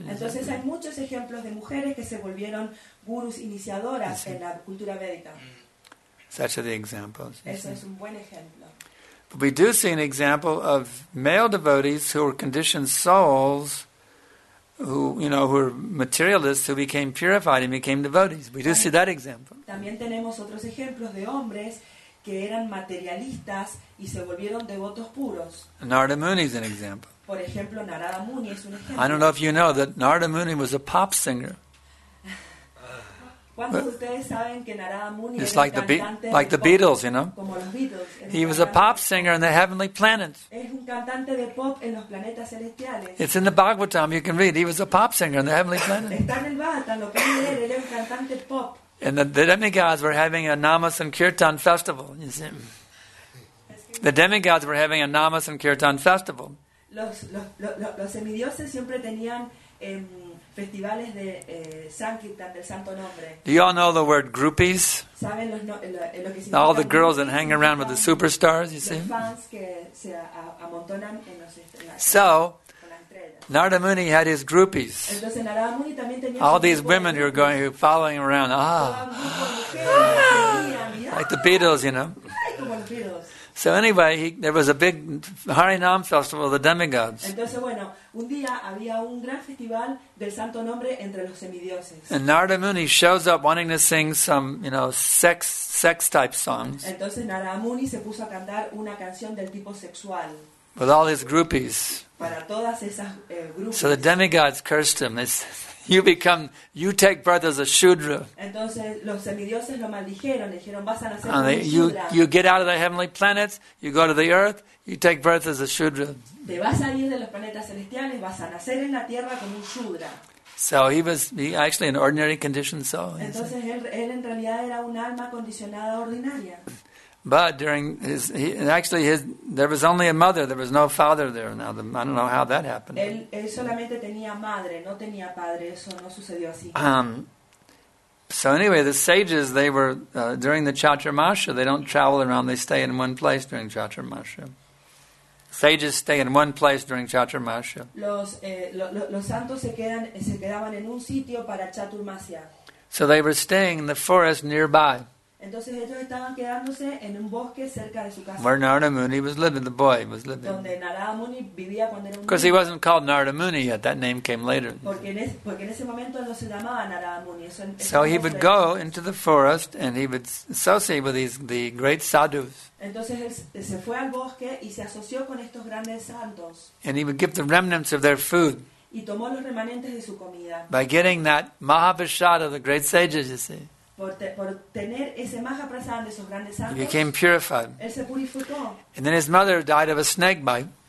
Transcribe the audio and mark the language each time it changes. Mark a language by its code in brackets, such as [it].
[es] Entonces, hay muchos ejemplos de mujeres que se volvieron gurus iniciadoras en la cultura védica. [en] Such are the examples. [es] Eso es un buen ejemplo. [en] But we do see an example of male devotees who were conditioned souls, who were materialists, who became purified and became devotees. We do see that example. [es] También tenemos otros ejemplos de hombres que eran materialistas y se volvieron devotos puros. [en] Narada Muni is an example. [es] Por ejemplo, Narada Muni es un ejemplo. [en] I don't know if you know that Narada Muni was a pop singer. It's like the Beatles, you know. He was a pop singer in the heavenly planets. It's in the Bhagavatam, you can read. He was a pop singer in the heavenly planets. And the demigods were having a Namas and Kirtan festival. You see? The demigods were having a Namas and Kirtan festival. [es] Los semidioses siempre tenían festivales de Sankirtan, del santo nombre. [en] Do you all know the word groupies? [es] ¿Saben lo que [en] all the girls that hang around with the superstars, you see? [es] Fans que se amontonan en los [en] so, Narada Muni had his groupies. [es] Entonces, Narada Muni también tenía [en] all these women who were going, who were following around. Ah, like the Beatles, you know. So anyway, there was a big Harinam festival of the demigods. [es] Entonces, bueno, un día había un gran festival del santo nombre entre los semidioses. [en] And Narada Muni shows up wanting to sing some, you know, sex type songs. [es] Entonces Narada Muni se puso a cantar una canción del tipo sexual. [en] With all his groupies. [es] Para todas esas groupies. [en] So the demigods cursed him. You take birth as a Shudra. [es] Entonces los semidioses lo maldijeron, le dijeron vas a nacer como Shudra. [en] You get out of the heavenly planets, you go to the earth, you take birth as a Shudra. [es] Te vas a ir de los planetas celestiales, vas a nacer en la tierra como un Shudra. [en] So he was actually an ordinary conditioned soul. [es] Entonces él en realidad era un alma condicionada ordinaria. [en] But during there was only a mother, there was no father there. Now, I don't know how that happened. [es] Él solamente tenía madre, no tenía padre, eso no sucedió así. [en] So anyway, the sages, they were, during the Chaturmasya, they don't travel around, they stay in one place during Chaturmasya. Sages stay in one place during Chaturmasya. [es] Los santos se quedaban en un sitio para Chaturmasya. [en] So they were staying in the forest nearby. [es] Entonces ellos estaban quedándose en un bosque cerca de su casa. [en] Where Narada Muni was living, the boy was living. [es] Donde Narada Muni vivía cuando era un niño. [en] Because he wasn't called Narada Muni yet, that name came later. [es] Porque en ese momento no se llamaba Narada Muni. [en] So he would go into the forest and he would associate with the great sadhus. [es] Entonces él se fue al bosque y se asoció con estos grandes santos. [en] And he would give the remnants of their food. [es] Y tomó los remanentes de su comida. [en] By getting that mahavishad of the great sages, you see. [es] Por tener ese maha prasad de esos grandes santos, [en] he became purified. [es] Él se purificó. [en] And then his mother died of a snake bite.